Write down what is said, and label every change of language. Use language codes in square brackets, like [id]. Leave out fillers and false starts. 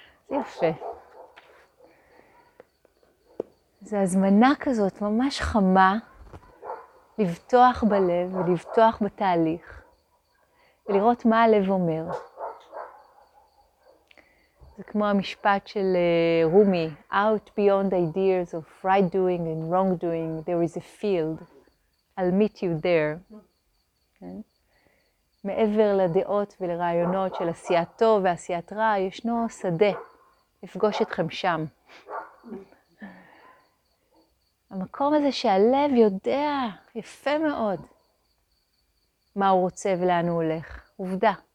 [he] יפה. זו הזמנה כזאת ממש חמה לבטוח בלב ולבטוח בתהליך ולראות מה הלב אומר. זה כמו המשפט של רומי, [en] Out beyond ideas of right doing and wrong doing, there is a field. I'll meet you there. [he] כן? מעבר לדעות ולרעיונות של עשיית טוב ועשיית רע, ישנו שדה, אפגוש אתכם שם. המקום הזה שהלב יודע יפה מאוד מה הוא רוצה ולאן הוא הולך. עובדה.